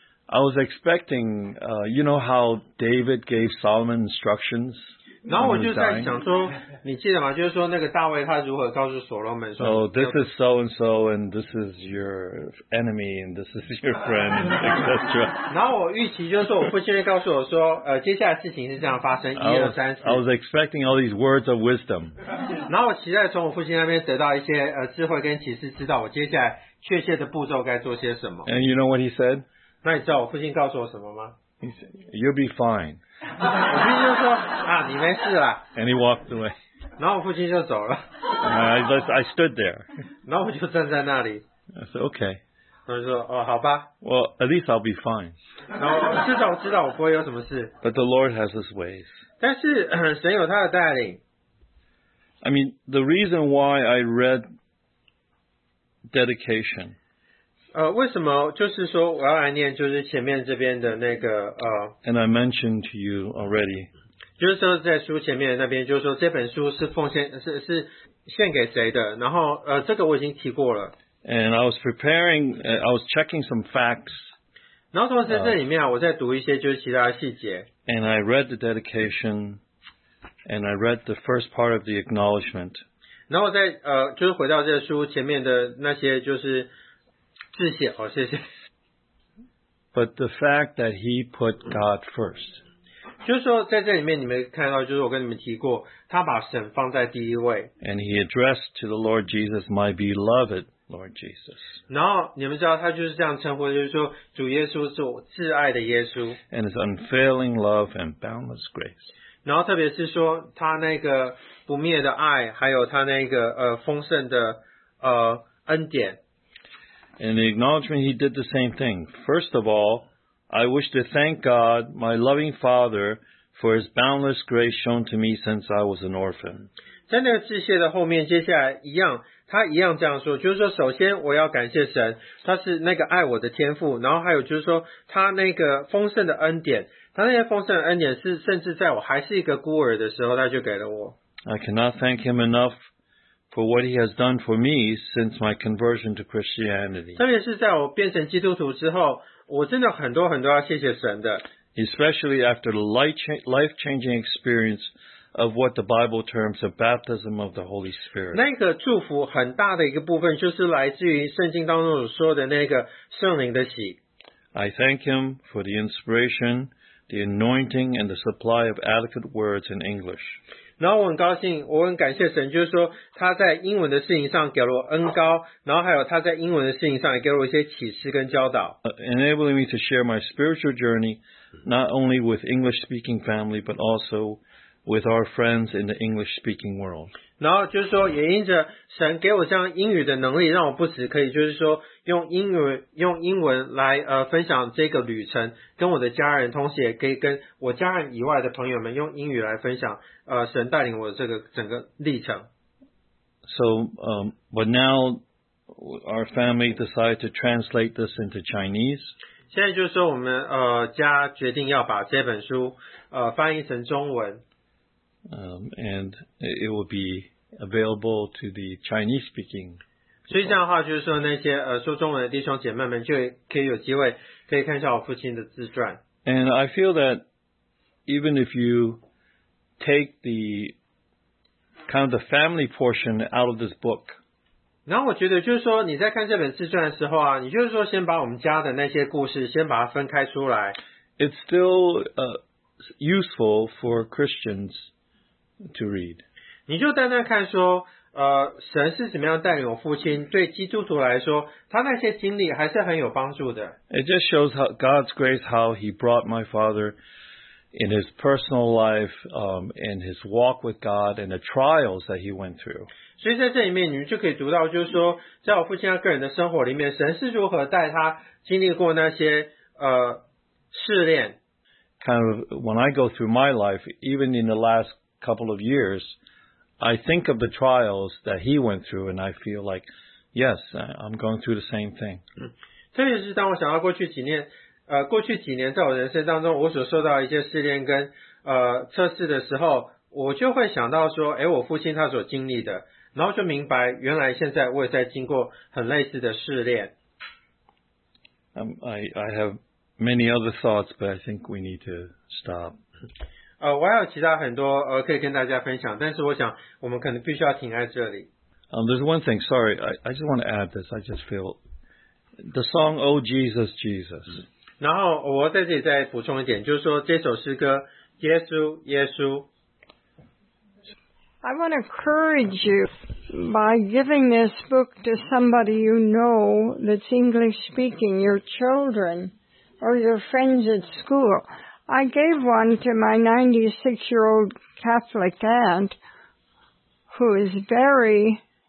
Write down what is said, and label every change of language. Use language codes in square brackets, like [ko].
[en] I was expecting, you know how David gave Solomon instructions? [zh] 然后我就在想说，你记得吗？就是说那个大卫他如何告诉所罗门说 [en] ，Oh, this is so and so, and this is your enemy, and this is your friend, etc. [zh] 然后我预期就是说我父亲告诉我说，接下来事情是这样发生，一二三四。 [en] I was expecting all these words of wisdom. [zh] 然后我期待从我父亲那边得到一些智慧跟启示，知道我接下来确切的步骤该做些什么。 [en] And you know what he said? [zh] 那你知道我父亲告诉我什么吗 [en] ？He said, "You'll be fine." [zh] 我父亲就说啊，你没事啦。 [en] And he walked away. [zh] 然后我父亲就走了。 [en] I stood there. [zh] 然后我就站在那里。 [en] I said okay. [zh] 他说哦，好吧。 [en] Well, at least I'll be fine. [zh] 然后至少我知道我不会有什么事。 [en] But the Lord has His ways. [zh] 但是神有他的带领。 [en] I mean, the reason why I read dedication. [zh] 为什么就是说我要来念就是前面这边的那个 [en] And I mentioned to you already. [zh] 就是说在书前面那边就是说这本书是奉献 是献给谁的然后这个我已经提过了。 [en] And I was preparing, I was checking some facts. [zh] 然后同时在这里面我在读一些就是其他细节。 [en] And I read the dedication, and I read the first part of the acknowledgement. [zh] 然后我在就是回到这书前面的那些就是自谢哦，谢谢。 [en] But the fact that he put God first， [zh] 就是说在这里面你们看到，就是我跟你们提过，他把神放在第一位。 [en] And he addressed to the Lord Jesus, my beloved Lord Jesus。 [zh] 然后你们知道他就是这样称呼，就是说主耶稣是我挚爱的耶稣。 [en] And his unfailing love and boundless grace。 [zh] 然后特别是说他那个不灭的爱，还有他那个丰盛的恩典。 [en] In the acknowledgement, he did the same thing. First of all, I wish to thank God, my loving Father, for His boundless grace shown to me since I was an orphan. [zh] 在那个致谢的后面，接下来一样，他一样这样说，就是说，首先我要感谢神，他是那个爱我的天父，然后还有就是说，他那个丰盛的恩典，他那些丰盛的恩典是甚至在我还是一个孤儿的时候，他就给了我。 [en] I cannot thank Him enough for what He has done for me since my conversion to Christianity. [zh] 特别是在我变成基督徒之后，我真的很多很多要谢谢神的。 [en] Especially after the life-changing experience of what the Bible terms a baptism of the Holy Spirit. [zh] 那个祝福很大的一个部分就是来自于圣经当中说的那个圣灵的洗。 [en] I thank Him for the inspiration, the anointing, and the supply of adequate words in English. [zh] 然后我很高兴，我很感谢神，就是说他在英文的事情上给了我恩高，然后还有他在英文的事情上也给了我一些启示跟教导。 [en] Enabling me to share my spiritual journey not only with English-speaking family but also with our friends in the English-speaking world. [zh] 然后就是说，也因着神给我这样英语的能力，让我不只可以就是说用英文来分享这个旅程，跟我的家人，同时也可以跟我家人以外的朋友们用英语来分享神带领我这个整个历程。 [en] So, but now our family decided to translate this into Chinese. [zh] 现在就是说我们家决定要把这本书翻译成中文。 [en] And it will be available to the Chinese speaking. [zh] 所以这样的话就是说那些说中文的弟兄姐妹们就可以有机会可以看一下我父亲的自传。 [en] And I feel that even if you take the kind of the family portion out of this book. [zh] 然后我觉得就是说你在看这本自传的时候啊，你就是说先把我们家的那些故事先把它分开出来。 [en] It's still useful for Christians. To read. [zh] 你就单单看说神是怎么样带领我父亲对基督徒来说他那些经历还是很有帮助的。 [en] It just shows how God's grace how he brought my father in his personal life, in his walk with God and the trials that he went through. [zh] 所以在这里面你们就可以读到就是说在我父亲个人的生活里面神是如何带他经历过那些试炼。 [en] Kind of when I go through my life, even in the last couple of years, I think of the trials that he went through and I feel like, yes, I'm going through the same thing. [zh] 特别是当我想到过去几年在我人生当中我所受到一些试炼跟测试的时候我就会想到说我父亲他所经历的然后就明白原来现在我也在经过很类似的试炼。 [en] I have many other thoughts, but I think we need to stop. [zh] 我还有其他很多可以跟大家分享，但是我想我们可能必须要停在这里。 [en] There's one thing. Sorry, I just want to add this. I just feel the song "Oh Jesus, Jesus." [zh] 然后我在这里再补充一点，就是说这首诗歌《耶稣，耶稣》。 [en] I want to encourage you by giving this book to somebody you know that's English speaking, your children or your friends at school. I gave one to my 96-year-old Catholic aunt, who is very...